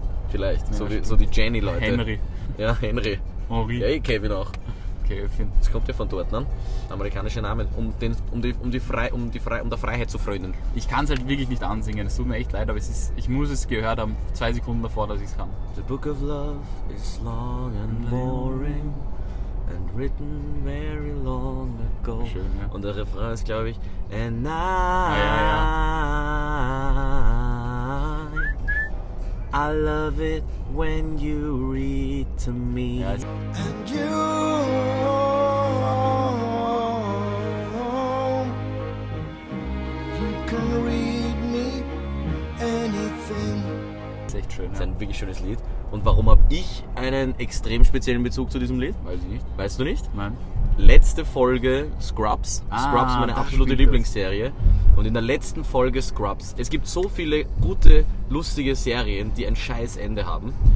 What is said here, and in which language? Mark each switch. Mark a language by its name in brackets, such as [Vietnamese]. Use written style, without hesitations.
[German] Vielleicht, nein, so die Jenny-Leute. Henry. Ja, Henry. Henri. Ja, Kevin auch. Kevin. Das kommt ja von dort, ne? Amerikanische Namen, um der Freiheit zu frönen. Ich kann es halt wirklich nicht ansingen, es tut mir echt leid, aber ich muss es gehört haben, 2 Sekunden davor, dass ich es kann. [English] The Book of Love is long and boring. And written very long ago. [German] Schön, ja. Und der Refrain ist, glaube ich, [English] and I love it when you read to me. [German] Ja, [English] and you can read me anything. [German] Ist echt schön, ja. Ist ein wirklich schönes Lied. Und warum habe ich einen extrem speziellen Bezug zu diesem Lied? Weiß ich nicht. Weißt du nicht? Nein. Letzte Folge Scrubs. Scrubs, meine absolute Lieblingsserie. Das. Und in der letzten Folge Scrubs. Es gibt so viele gute, lustige Serien, die ein scheiß Ende haben.